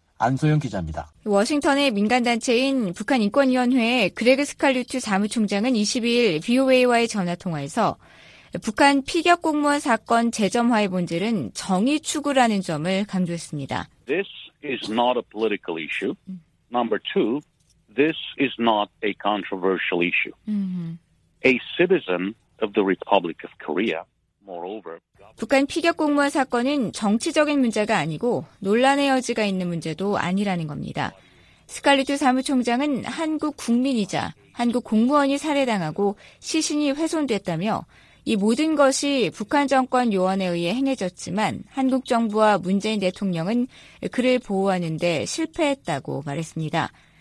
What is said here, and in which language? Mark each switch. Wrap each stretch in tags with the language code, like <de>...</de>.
<ko>안소영 기자입니다. 워싱턴의 민간단체인 북한인권위원회의 그레그 스칼루트 사무총장은 22일 VOA와의 전화통화에서 북한 피격 공무원 사건 재점화의 본질은 정의 추구라는 점을 강조했습니다.</ko> <en>This is not a political issue. Number two, this is not a controversial issue. A citizen of the Republic of Korea, moreover,</en> <ko>북한 피격 공무원 사건은 정치적인 문제가 아니고 논란의 여지가 있는 문제도 아니라는 겁니다. 스칼리트 사무총장은 한국 국민이자 한국 공무원이 살해당하고 시신이 훼손됐다며 이 모든 것이 북한 정권 요원에 의해 행해졌지만 한국 정부와 문재인 대통령은 그를 보호하는 데 실패했다고 말했습니다.</ko>